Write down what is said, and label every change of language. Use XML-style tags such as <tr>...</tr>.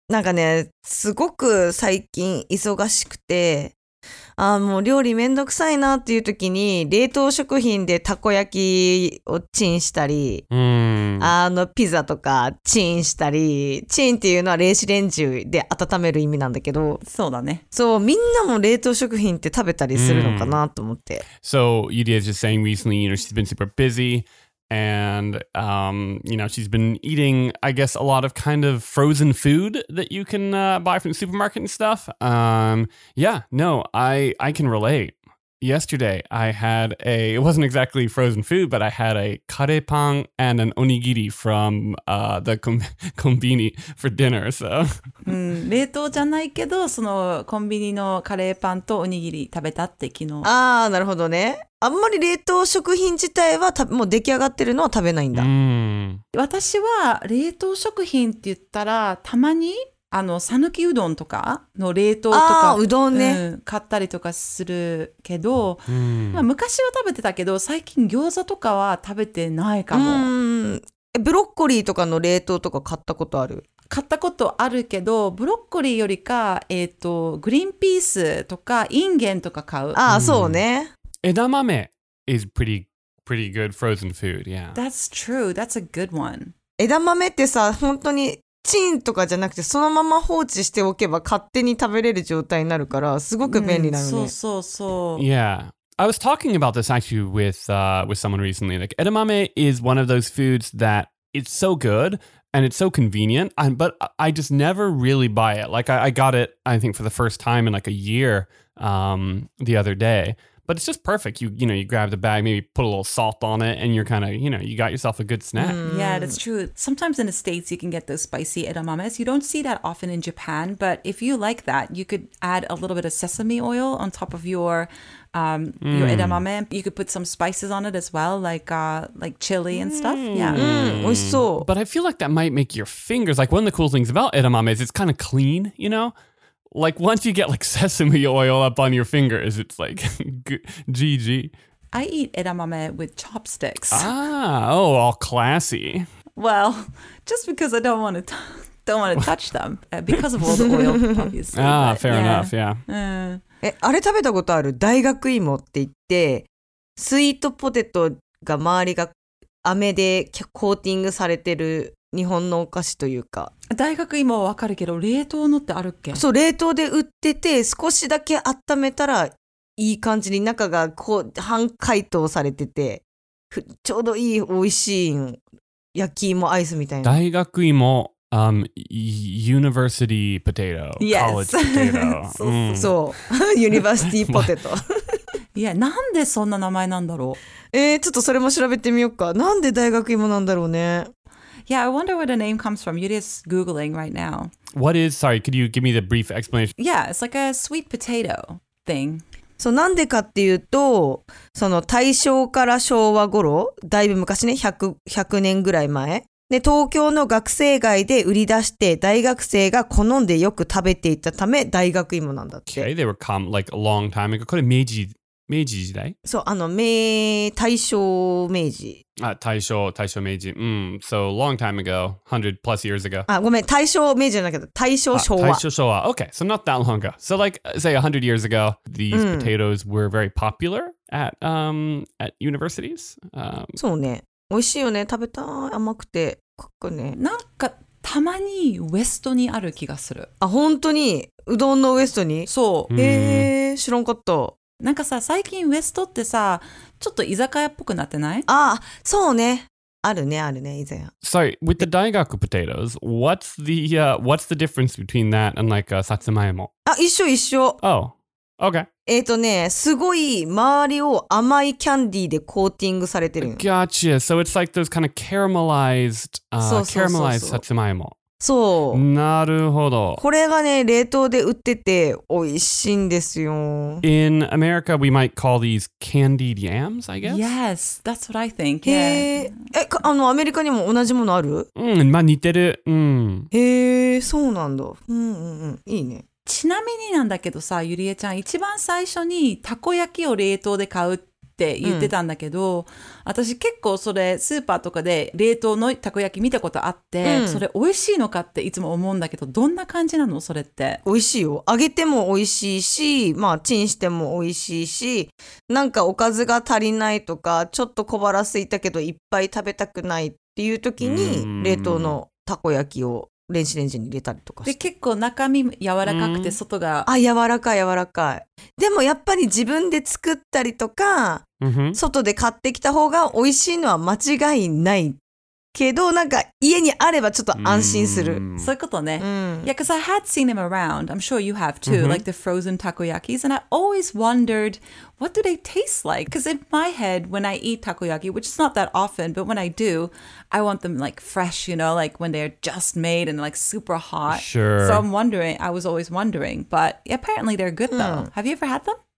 <ja>なんかね、すごく最近忙しくて、あ、もう料理めんどくさいなっていう時に、冷凍食品でたこ焼きをチンしたり、ピザとかチンしたり、チンっていうのは電子レンジで温める意味なんだけど、そうだね。そう、みんなも冷凍食品って食べたりするのかなと思って。</ja> <en>So, Yuria is just saying recently, you know, she's been super busy. And, you know, she's been eating, I guess, a lot of kind of frozen food that you can buy from the supermarket and stuff. I can relate. Yesterday, I had it wasn't exactly frozen food, but I had a karepan and an onigiri from the konbini for dinner, so.</en> <ja>冷凍じゃないけど、そのコンビニのカレーパンとおにぎり食べたって昨日。ああ、なるほどね。あんまり冷凍食品自体はもう出来上がってるのは食べないんだ。私は冷凍食品って言ったら、たまにさぬきうどんとかの冷凍とか、あ、うどんね、買ったりとかするけど、まあ、昔は食べてたけど、最近餃子とかは食べてないかも。ブロッコリーとかの冷凍とか買ったことある？買ったことあるけど、ブロッコリーよりか、グリーンピースとかインゲンとか買う。ああ、そうね。</ja> <en>Edamame is pretty good frozen food, yeah. That's true. That's a good one.</en> <ja>Edamame ってさ、本当にチンとかじゃなくて、そのまま放置しておけば勝手に食べれる状態になるから、すごく便利なのね。そうそうそう。</ja> <en>Yeah. I was talking about this actually with someone recently. Like, edamame is one of those foods that it's so good and it's so convenient, but I just never really buy it. Like, I got it, I think, for the first time in like a year the other day. But it's just perfect. You know, you grab the bag, maybe put a little salt on it, and you're kind of, you know, you got yourself a good snack. Yeah, that's true. Sometimes in the States, you can get those spicy edamames. You don't see that often in Japan, but if you like that, you could add a little bit of sesame oil on top of your edamame. You could put some spices on it as well, like chili and stuff. Yeah. But I feel like that might make your fingers, like one of the cool things about edamame is it's kind of clean, you know? Like, once you get, like, sesame oil up on your fingers, it's like, GG. I eat edamame with chopsticks. Ah, oh, all classy. Well, just because I don't want to don't want to touch them because of all the oil, obviously. Ah, fair enough, yeah.</en> <ja>あれ食べたことある？大学芋って言って、スイートポテトが周りが飴でコーティングされてる日本のお菓子というか。大学芋はわかるけど、冷凍のってあるっけ？そう、冷凍で売ってて、少しだけ温めたらいい感じに中がこう半解凍されてて、ちょうどいい美味しい焼き芋アイスみたいな。</ja> <en>大学芋、university potato, college potato. そう、university potato.</en> <ja>いや、なんでそんな名前なんだろう。ちょっとそれも調べてみようか。なんで大学芋なんだろうね。</ja> <en>Yeah, I wonder where the name comes from. You're just Googling right now. What is, sorry, could you give me the brief explanation? Yeah, it's like a sweet potato thing.</en> <ja>そう、なんでかっていうと、その大正から昭和頃、だいぶ昔ね、100年ぐらい前。で、東京の学生街で売り出して、大学生が好んでよく食べていたため、大学芋なんだって。</ja> <en>Okay, they were come like a long time ago.</en> <ja>これ明治時代？そう、あの、大正明治。あ、大正明治。うん、</ja> <en>so long time ago, 100 plus years ago.</en> <ja>あ、ごめん、大正明治じゃなくて、大正昭和。大正昭和。</ja> <en>Okay, so not that long ago. So like, say 100 years ago, these potatoes were very popular at universities.</en> <ja>そうね。美味しいよね。食べたい。甘くて。ここね。なんか、たまにウエストにある気がする。あ、本当に？うどんのウエストに？そう。知らんかった。なんかさ、最近ウエストってさ、ちょっと居酒屋っぽくなってない？ああ、そうね。あるね、あるね、以前。</ja> <en>Sorry, with the 大学 potatoes, what's the difference between that and like a さつまいも？</en> <ja>あ、一緒一緒。</ja> <en>Oh, okay.</en> <ja>ね、すごい周りを甘いキャンディーでコーティングされてるの。</ja> <en>Gotcha. So it's like those kind of caramelized, caramelized さつまいも。</en> <ja>そう。なるほど。これがね、冷凍で売ってて美味しいんですよ。</ja> <en>In America, we might call these candied yams, I guess? Yes, that's what I think.</en> <ja>あの、アメリカにも同じものある？まあ似てる。へえ、そうなんだ。いいね。ちなみになんだけどさ、ゆりえちゃん、一番最初にたこ焼きを冷凍で買うって言ってたんだけど、私結構それスーパーとかで冷凍のたこ焼き見たことあって、それ美味しいのかっていつも思うんだけど、どんな感じなのそれって。美味しいよ。揚げても美味しいし、まあチンしても美味しいし、なんかおかずが足りないとか、ちょっと小腹空いたけどいっぱい食べたくないっていう時に冷凍のたこ焼きを電子レンジに入れたりとかして、で結構中身柔らかくて外が、あ、柔らかい柔らかい。でもやっぱり自分で作ったりとか、外で買ってきた方が美味しいのは間違いないけど、なんか家にあればちょっと安心する。そういうことね。</ja> <en>Yeah, because I had seen them around. I'm sure you have too. Like the frozen takoyakis. And I always wondered, what do they taste like? Because in my head, when I eat takoyaki, which is not that often, but when I do, I want them like fresh, you know, like when they're just made and like super hot. Sure. So I'm wondering, I was always wondering. But apparently they're good though. Have you ever had them?</en>